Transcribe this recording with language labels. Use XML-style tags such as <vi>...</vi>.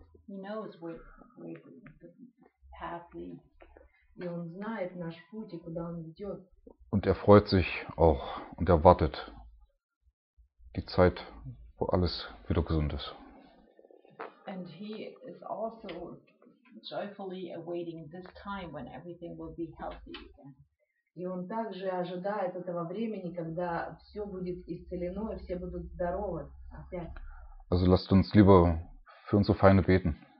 <en>He knows where the path leads.</en> <ru>И Он знает наш путь и куда Он ведет.</ru> <de>Und er freut sich auch und er wartet die Zeit, wo alles wieder gesund ist.</de> <en>And he is also joyfully awaiting this time when everything will be healthy again.</en> <ru>И он также ожидает этого времени, когда все будет исцелено и все будут здоровы опять.</ru> <de>Also lasst uns lieber für unsere Feinde beten.</de>